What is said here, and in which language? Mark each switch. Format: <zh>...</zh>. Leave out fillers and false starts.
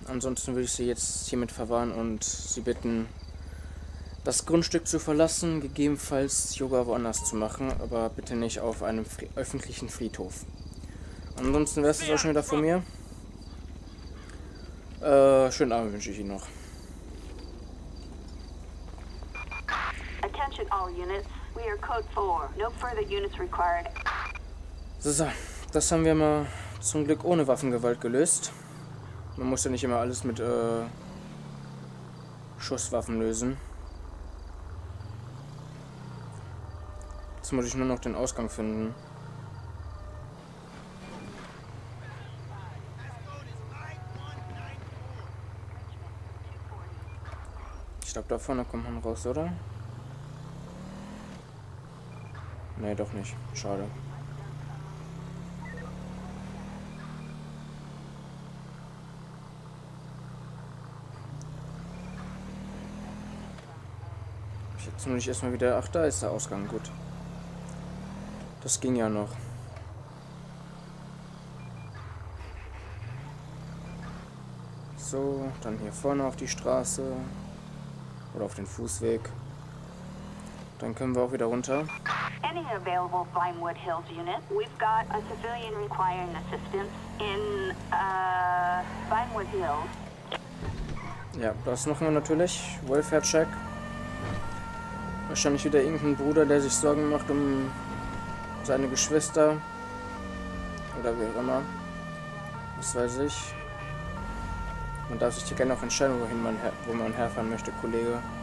<de>Ansonsten würde ich Sie jetzt hiermit verwarnen und Sie bitten, das Grundstück zu verlassen, gegebenenfalls Yoga woanders zu machen, aber bitte nicht auf einem öffentlichen Friedhof. Ansonsten wäre es auch schon wieder von mir. Schönen Abend wünsche ich Ihnen noch.</de> <en>Attention all units, we are code 4. No further units required.</en> <de>So, das haben wir mal zum Glück ohne Waffengewalt gelöst. Man muss ja nicht immer alles mit Schusswaffen lösen. Jetzt muss ich nur noch den Ausgang finden. Ich glaube, da vorne kommt man raus, oder? Nee, doch nicht. Schade. Jetzt muss ich erstmal wieder... Ach, da ist der Ausgang. Gut. Das ging ja noch. So, dann hier vorne auf die Straße. Oder auf den Fußweg. Dann können wir auch wieder runter.</de> <en>Any available Vinewood Hills unit. We've got a civilian requiring assistance in Vinewood Hills.</en> <de>Ja, das machen wir natürlich. Welfare Check. Wahrscheinlich wieder irgendein Bruder, der sich Sorgen macht um seine Geschwister. Oder wie auch immer. Das weiß ich. Man darf sich hier gerne auch entscheiden, wohin man herfahren möchte, Kollege.</de>